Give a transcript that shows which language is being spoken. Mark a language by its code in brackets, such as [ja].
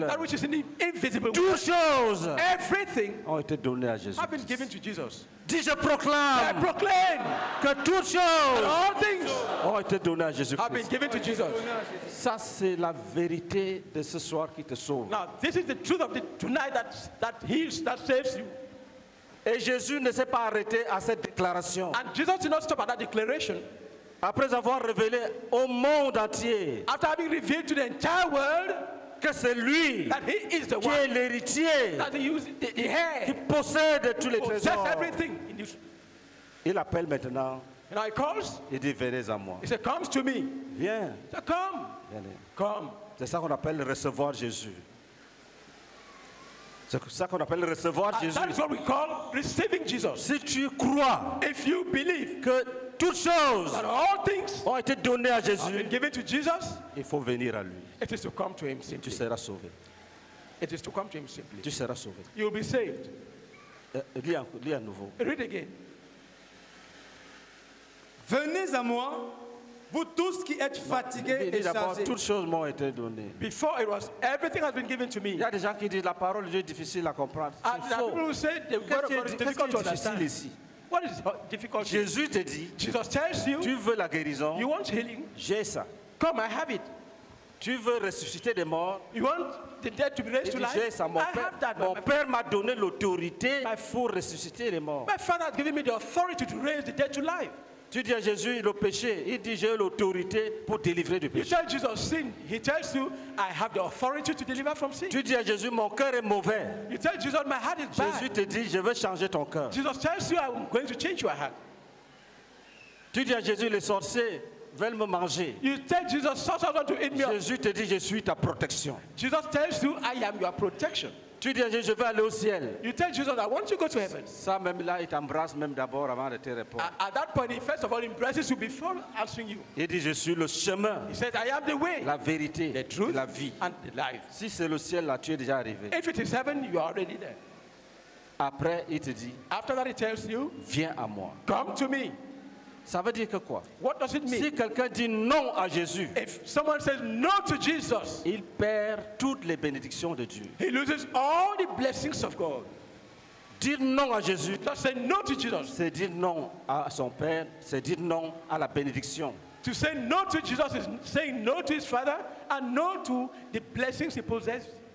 [en] That which is in the invisible world. [fr] Toutes choses. [en] Everything. [fr] Ont été données à Jésus. [en] Have been given to Jesus. [fr] Dis-je proclame. [en] I proclaim. [fr] Que toutes choses. [en] All things. [fr] Ont été données à Jésus. [en] Have been given to Jesus. [fr] Ça c'est la vérité de ce soir qui te sauve. [en] Now this is the truth of the tonight that heals, that saves you. [fr] Et Jésus ne s'est pas arrêté à cette déclaration. [en] And Jesus did not stop at that declaration. [fr] Après avoir révélé au monde entier. [en] After having revealed to the entire world. [fr] Que c'est lui [en] that he is the [fr] qui [en] one [fr] est l'héritier. [en] That he used the heir. [fr] Qui possède tous les trésors. [en] He possesses everything. [fr] Il appelle maintenant. [en] And I calls. [fr] Il dit venez à moi. [en] He said come to me. [fr] Viens. [en] So come. [fr] Venez. [en] Come. [fr] C'est ça qu'on appelle recevoir Jésus. C'est ça qu'on appelle recevoir Jésus. [en] That is what we call receiving Jesus. [fr] Si tu crois, [en] if you believe, [fr] que toutes choses, [en] that all things, [fr] ont été données à Jésus, [en] have been given to Jesus, [fr] il faut venir à lui. [en] It is to come to him simply. [fr] Tu seras sauvé. [en] It is to come to him simply. [fr] Tu seras sauvé. [en] You will be saved. [fr] Lis à nouveau. [en] Read again. [fr] Venez à moi. Vous tous qui êtes fatigués et chargés. Toutes choses m'ont été données. [en] Before it was everything has been given to me. [fr] Il y a des gens qui disent la parole de Dieu est difficile à comprendre. C'est faux. [en] People who say the word of God is difficult to understand. [fr] Ici? [en] What is difficult? [fr] Jésus te dit. [en] Jesus tells you. [fr] Tu veux la guérison? [en] You want healing? [fr] J'ai ça. [en] Come, I have it. [fr] Tu veux ressusciter des morts? [en] You want the dead to be raised to life? [fr] J'ai ça. [en] I have that. [fr] Mon Père m'a donné l'autorité pour ressusciter les morts. [en] My Father has given me the authority to raise the dead to life. [fr] Tu dis à Jésus le péché, il dit j'ai l'autorité pour délivrer du péché. [en] You tell Jesus sin, he tells you I have the authority to deliver from sin. [fr] Tu dis à Jésus mon cœur est mauvais. [en] You tell Jesus my heart is bad. [fr] Jésus te dit je veux changer ton cœur. [en] Jesus tells you I'm going to change your heart. [fr] Tu dis à Jésus les sorciers veulent me manger. [en] You tell Jesus sorcerers want to eat me. [fr] Jésus te dit je suis ta protection. [en] Jesus tells you I am your protection. [fr] Tu dis à Jésus je veux aller au ciel. [en] You tell Jesus I want to go to heaven. [fr] Ça même là il t'embrasse même d'abord avant de te répondre. [en] At that point he first of all embraces you before answering you. [fr] Il dit je suis le chemin. [en] He says I am the way. [fr] La vérité. [en] The truth. [fr] La vie. [en] And the life. [fr] Si c'est le ciel là tu es déjà arrivé. [en] If it is heaven you are already there. [fr] Après il te dit. [en] After that he tells you. [fr] Viens à moi. [en] Come to me. [fr] Ça veut dire que quoi? [en] What does it mean? [fr] Si quelqu'un dit non à Jésus, [en] if someone says no to Jesus, [fr] il perd toutes les bénédictions de Dieu. [en] He loses all the blessings of God. [fr] Dire non à Jésus, [en] to say no to Jesus, [fr] c'est dire non à son père, c'est dire non à la bénédiction. [en] To say no to Jesus is saying no to his father and no to the blessings he possesses.